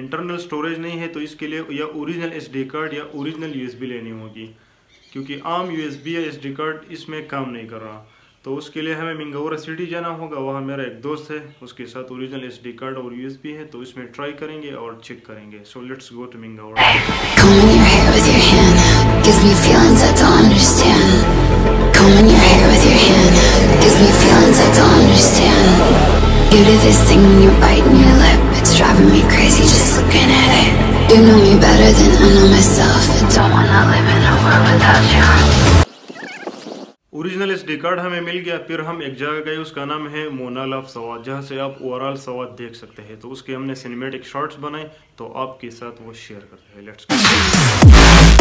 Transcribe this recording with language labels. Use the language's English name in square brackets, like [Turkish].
[Hindi] Internal storage नहीं है तो इसके लिए या ओरिजिनल एसडी कार्ड या ओरिजिनल यूएसबी लेनी होगी, क्योंकि आम यूएसबी या एसडी कार्ड इसमें काम नहीं कर रहा। तो उसके लिए हमें मिंगौरा सिटी जाना होगा, वहाँ मेरा एक दोस्त है, उसके साथ ओरिजिनल एसडी कार्ड और यूएसबी है, तो इसमें ट्राई करेंगे और चेक करेंगे। [English] So let's go to Mingora. Gives me feelings I don't understand. Combing your hair with your hand gives me feelings I don't understand. You do this thing when you're biting your lip, it's driving me crazy just looking at it. You know me better than I know myself. I don't wanna live in a world without you. [Hindi] Original SD card हमें मिल गया, फिर हम एक जगह गए, उसका नाम है मोनाल ऑफ स्वात, जहाँ से आप ओवरऑल स्वात देख सकते हैं। तो उसके हमने सिनेमेटिक शॉट्स बनाए, तो आपके साथ वो शेयर करते हैं। [English] Let's go.